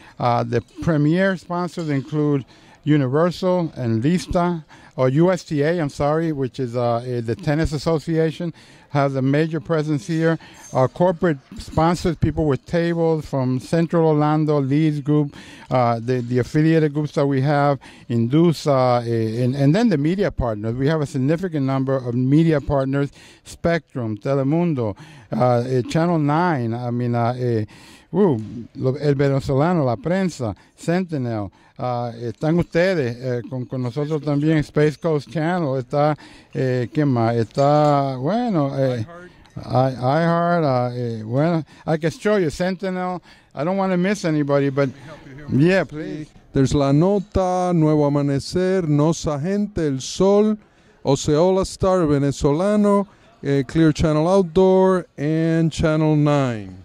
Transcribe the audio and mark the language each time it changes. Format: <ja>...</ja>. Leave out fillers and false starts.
<en>The premier sponsors include Universal and Lista, or USTA, I'm sorry, which is the Tennis Association, has a major presence here. Our corporate sponsors, people with tables from Central Orlando, Leeds Group, the affiliated groups that we have, Indusa, and then the media partners. We have a significant number of media partners, Spectrum, Telemundo, Channel 9, El Venezolano, La Prensa, Sentinel,</en> <es>están ustedes con nosotros también,</es> <en>Space Coast Channel,</en> <es>está, ¿quién más? Está, bueno,</es> <en>iHeart, I can show you, Sentinel, I don't want to miss anybody, but, yeah, please. There's La Nota, Nuevo Amanecer, Nosa Gente, El Sol, Osceola Star, Venezolano, Clear Channel Outdoor, and Channel 9.</en>